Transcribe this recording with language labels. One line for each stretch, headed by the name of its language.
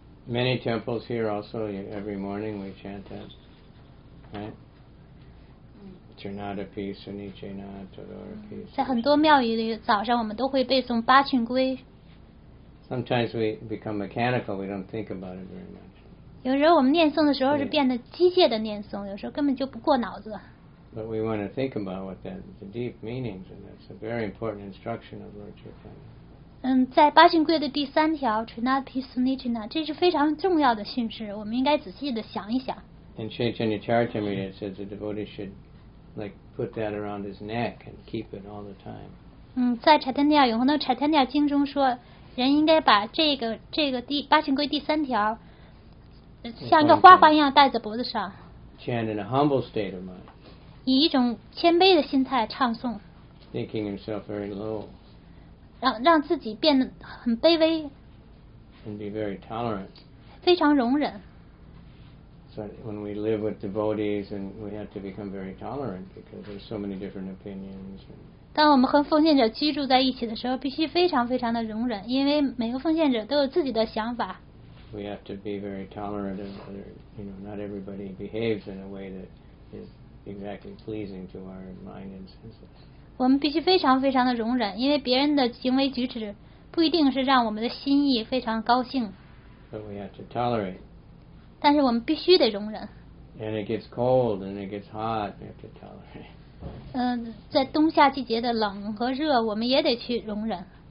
English: Many temples here also, every morning we chant that, right? Chanada piece, Nichena, Todora piece.
Chinese: 在很多庙宇里，早上我们都会背诵八训归。
English: Sometimes we become mechanical, we don't think about it very much.
Chinese: 有时候我们念诵的时候是变得机械的念诵，有时候根本就不过脑子。
English: But we want to think about what that, the deep meanings, and that's a very important instruction of Lord Chaitanya.
Chinese: 在八训规的第三条 Trinadpi Sunichina 这是非常重要的训示，我们应该仔细的想一想。
English: In Chaitanya Charitamrita it says the devotee should like put that around his neck and keep it all the time.
Chinese: 在 Chaitanya 永恒的 Chaitanya 经中说，人应该把这个八训规第三条像一个花环一样戴在脖子上。
English: Chant in a humble state of mind.
Chinese: 以一种谦卑的心态唱诵。
English: Thinking himself very low.
Chinese: 让自己变得很卑微
English: and be very tolerant.
Chinese: 非常容忍
English: So when we live with devotees and we have to become very tolerant because there's so many different opinions.
Chinese: 当我们和奉献者居住在一起的时候必须非常非常的容忍，因为每个奉献者都有自己的想法。
English: We have to be very tolerant of other, you know, not everybody behaves in a way that is exactly pleasing to our mind and senses.
Chinese: 我们必须非常非常的容忍，因为别人的行为举止不一定是让我们的心意非常高兴。
English: But we have to tolerate.
Chinese: 但是我们必须得容忍。
English: And it gets cold and it gets hot, we have to tolerate.
Chinese: 在冬夏季节的冷和热，我们也得去容忍。